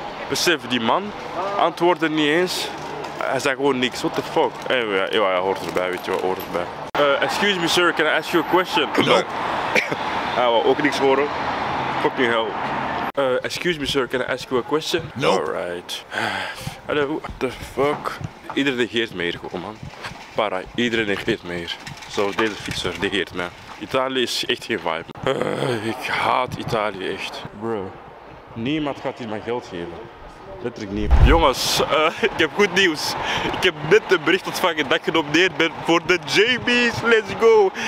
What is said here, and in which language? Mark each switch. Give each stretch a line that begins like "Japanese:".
Dutch: Besef, die man antwoordde niet eens. Hij zei gewoon niks.
English: What the fuck? Anyway, yeah,
Dutch: ja, hoort erbij, weet je wat, hoort erbij.
English: Excuse me, sir, can I ask you a question? Nope.
Dutch: Hij wil ook niks horen.
English: Fucking hell. Excuse me sir, can I ask you a question? No. Nope. Alright. Hallo, what the fuck?
Dutch: Iedereen negeert me hier gewoon man. Para, iedereen negeert me hier. Zo, deze fietser negeert me. Italië is echt geen vibe. Ik haat Italië echt. Bro, niemand gaat hier mijn geld geven. Letterlijk niet. Jongens, ik heb goed nieuws. Ik heb net een bericht ontvangen dat ik genomineerd ben voor de JB's.
English: Let's go!